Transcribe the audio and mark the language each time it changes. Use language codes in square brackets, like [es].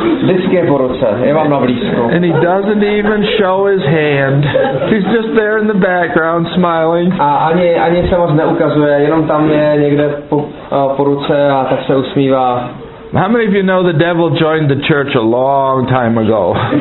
[cs] Vždycky je po ruce, je vám na blízku. [en] And he doesn't even show his hand. He's just there in the background smiling. [cs] A ani se moc neukazuje, jenom tam je někde po ruce a tak se usmívá. [en] How many of you know the devil joined the church a long time ago?